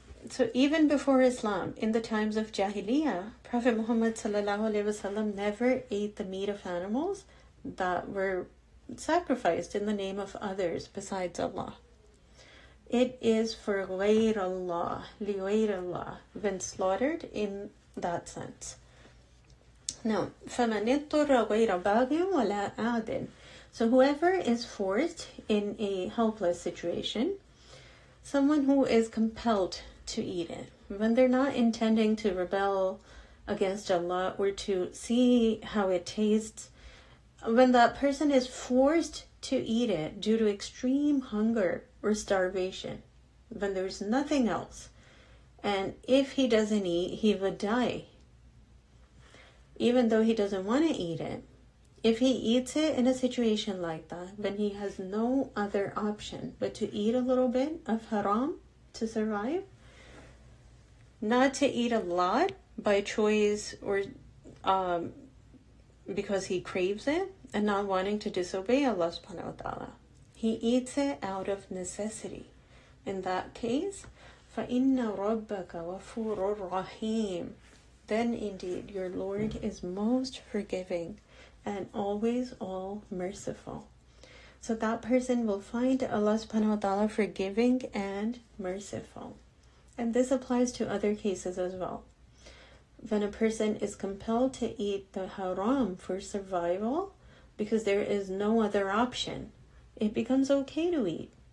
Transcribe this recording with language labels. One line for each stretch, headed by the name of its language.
English: So even before Islam, in the times of Jahiliyyah, Prophet Muhammad sallallahu alaihi wasallam never ate the meat of animals that were sacrificed in the name of others besides Allah. It is for غير الله, لغير الله, when slaughtered in that sense.
Arabic: Now, فَمَنِ اضْطُرَّ غَيْرَ بَاغٍ وَلَا عَادٍ.
English: So whoever is forced in a helpless situation, someone who is compelled to eat it, when they're not intending to rebel against Allah or to see how it tastes, when that person is forced to eat it due to extreme hunger or starvation, when there's nothing else, and if he doesn't eat, he would die. Even though he doesn't want to eat it, if he eats it in a situation like that, then he has no other option but to eat a little bit of haram to survive. Not to eat a lot by choice or because he craves it and not wanting to disobey Allah subhanahu wa ta'ala. He eats it out of necessity. In that case,
Arabic: فَإِنَّ رَبَّكَ وَفُورُ الرَّحِيمُ.
English: Then indeed, your Lord is most forgiving and always all merciful. So that person will find Allah subhanahu wa ta'ala forgiving and merciful. And this applies to other cases as well. When a person is compelled to eat the haram for survival because there is no other option, it becomes okay to eat.